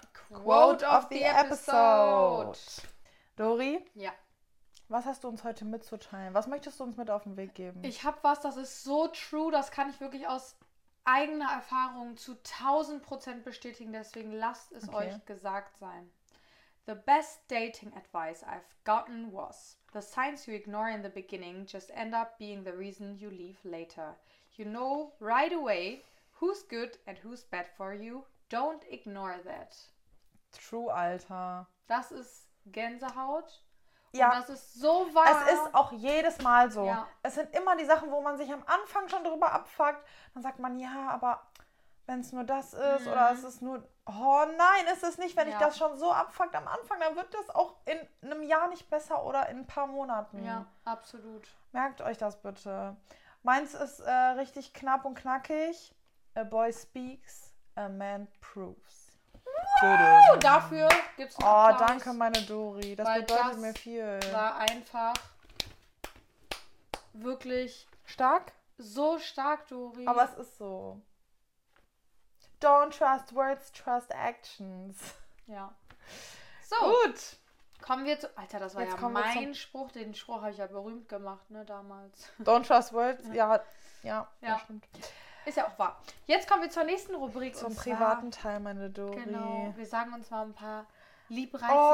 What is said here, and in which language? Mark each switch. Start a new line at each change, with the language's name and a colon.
English: Quote of the episode. Dori?
German: Ja. Was hast du uns heute mitzuteilen? Was möchtest du uns mit auf den Weg geben? Ich habe was, das ist
English: so true,
German: das kann ich wirklich aus eigener Erfahrung zu 1000% bestätigen, deswegen lasst es euch gesagt sein.
English: The best dating advice I've gotten was, the signs you ignore in the beginning just end up being the reason you leave later. You know right away who's good and who's bad for you. Don't ignore that. True,
German: Alter. Das ist Gänsehaut. Ja, und das ist so wahr. Es ist auch jedes Mal so. Ja. Es sind immer die Sachen, wo man sich am Anfang schon drüber abfuckt. Dann sagt man, ja, aber wenn es nur das ist oder es ist nur... Oh nein, ist es nicht. Wenn ich das schon so abfuckt am Anfang, dann wird das auch in einem Jahr nicht besser oder in ein paar Monaten. Ja, absolut. Merkt euch das bitte. Meins ist richtig knapp und knackig.
English: A boy speaks, a man proves.
German: Wow, dafür gibt es einen Applaus. Oh, danke, meine Dori. Das bedeutet das mir viel. Das war einfach wirklich stark. So stark, Dori. Aber es ist so.
English: Don't trust words, trust actions.
German: Ja. So. Gut. Kommen wir zu... Alter, das war jetzt ja mein Spruch. Den Spruch habe ich ja berühmt gemacht, ne, damals.
English: Don't trust words.
German: Ja, das stimmt. Ist ja auch wahr. Jetzt kommen wir zur nächsten Rubrik. Zum privaten Teil, meine Dori. Genau, wir sagen uns mal ein paar liebreizende Wörter.